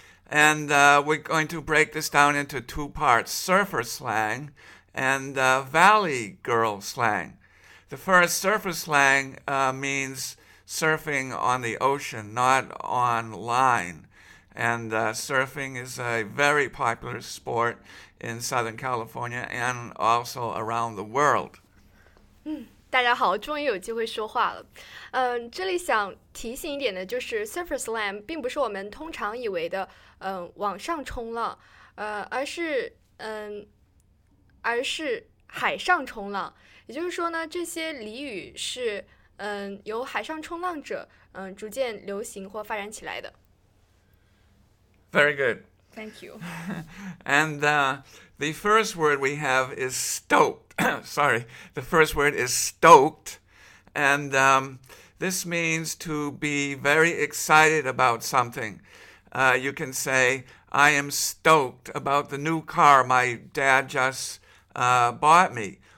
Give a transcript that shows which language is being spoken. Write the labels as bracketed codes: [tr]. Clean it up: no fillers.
[en] And we're going to break this down into two parts, surfer slang and valley girl slang. The first, surfer slang, means surfing on the ocean, not online. And surfing is a very popular sport in Southern California and also around the world. [zh] 大家好，终于有机会说话了。嗯，这里想提醒一点的就是 ，surfer slam 并不是我们通常以为的，网上冲浪，而是海上冲浪。也就是说呢，这些俚语是由海上冲浪者逐渐流行或发展起来的。 [en] Very good. Thank you. And the first word we have is stoked. Sorry. The first word is stoked. And this means to be very excited about something. You can say, I am stoked about the new car my dad just bought me.